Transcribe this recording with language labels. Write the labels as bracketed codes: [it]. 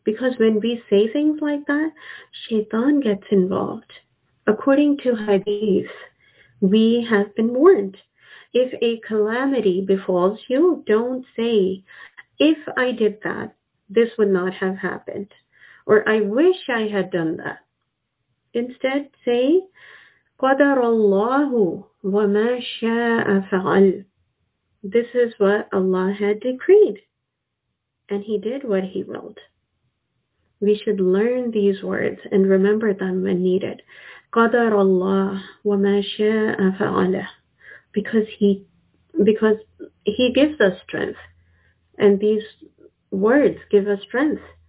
[en] Because when we say things like that, shaitan gets involved. According to hadith, we have been warned. If a calamity befalls you, don't say, if I did that, this would not have happened. Or I wish I had done that. Instead, say, [ar] قَدَرَ اللَّهُ وَمَا شَاءَ فَعَلَ. [en] This is what Allah had decreed, and He did what He willed. We should learn these words and remember them when needed. [ar] قَدَرَ اللَّهُ وَمَا شَاءَ فَعَلَ. [en] Because he gives us strength, and these words give us strength.